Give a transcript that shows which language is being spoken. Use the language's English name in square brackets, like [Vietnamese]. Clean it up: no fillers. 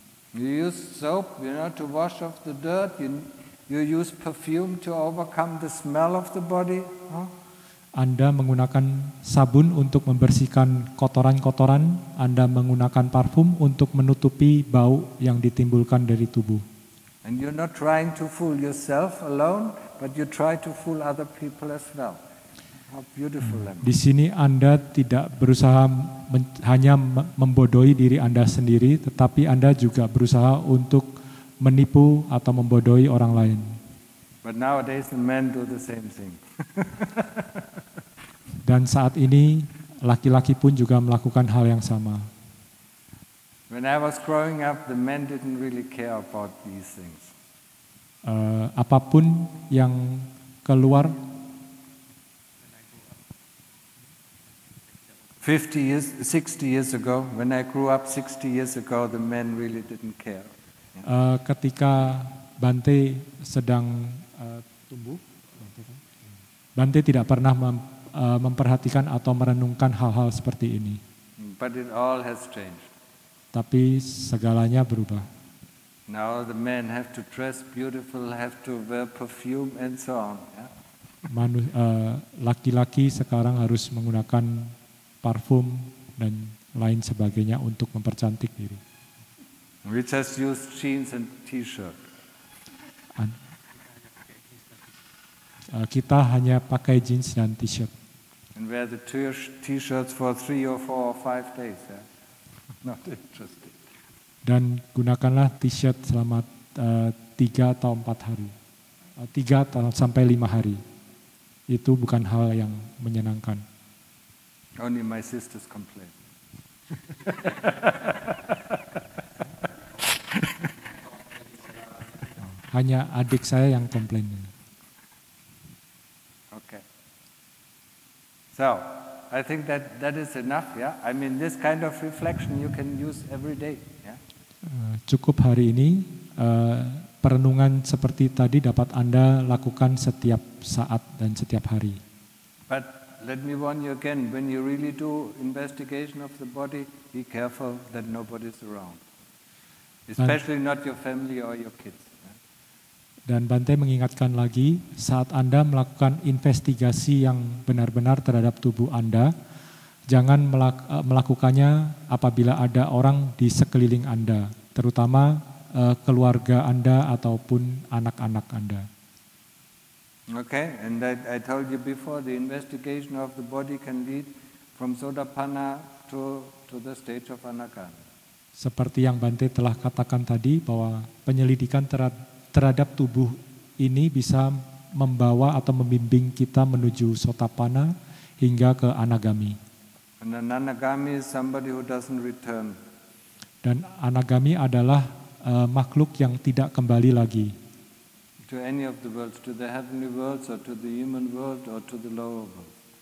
[English] You use soap, you know, to wash off the dirt. You use perfume to overcome the smell of the body. [Indonesian] Anda menggunakan sabun untuk membersihkan kotoran-kotoran. Anda menggunakan parfum untuk menutupi bau yang ditimbulkan dari tubuh. [English] And you're not trying to fool yourself alone. But you try to fool other people as well. How beautiful them. [Indonesian] Di sini Anda tidak berusaha hanya membodohi diri Anda sendiri, tetapi Anda juga berusaha untuk menipu atau membodohi orang lain. [English] But nowadays the men do the same thing. [Indonesian] Dan saat ini laki-laki pun juga melakukan hal yang sama. [English] When I was growing up, the men didn't really care about these things. [Indonesian] apapun yang keluar. [English] 60 years ago, when I grew up 60 years ago, the men really didn't care. [Indonesian] Ketika Bante sedang tumbuh, Bante tidak pernah memperhatikan atau merenungkan hal-hal seperti ini. [English] But it all has changed. [Indonesian] Tapi segalanya berubah. [English] Now the men have to dress beautiful, have to wear perfume and so on. Yeah? [Indonesian] Laki-laki sekarang harus menggunakan parfum dan lain sebagainya untuk mempercantik diri. [English] We just use jeans and t-shirt. [Indonesian] Kita hanya pakai jeans dan t-shirt. [English] And wear the t-shirts for 3 or 4 or 5 days. Yeah? Not interesting. [Indonesian] Dan gunakanlah t-shirt selama 3 atau 4 hari. 3 sampai 5 hari. Itu bukan hal yang menyenangkan. [English] Only my sisters complain. [Indonesian] Hanya adik saya yang komplain. [English] Okay. So, I think that is enough, yeah? I mean, this kind of reflection you can use every day, yeah? [Indonesian] Cukup hari ini, perenungan seperti tadi dapat Anda lakukan setiap saat dan setiap hari. [English] But let me warn you again, when you really do investigation of the body, be careful that nobody's around. Especially not your family or your kids. [Indonesian] Dan Bante mengingatkan lagi, saat Anda melakukan investigasi yang benar-benar terhadap tubuh Anda, jangan melakukannya apabila ada orang di sekeliling Anda, terutama keluarga Anda ataupun anak-anak Anda. [English] Okay, and I told you before, the investigation of the body can lead from sotapanna to the stage of anahata. [Indonesian] Seperti yang Bante telah katakan tadi, bahwa penyelidikan terhadap tubuh ini bisa membawa atau membimbing kita menuju sotapanna hingga ke anagami. [English] And an anagami is somebody who doesn't return. [Indonesian] Dan anagami adalah makhluk yang tidak kembali lagi. [English] To any of the worlds, to the heavenly worlds, or to the human world, or to the lower world.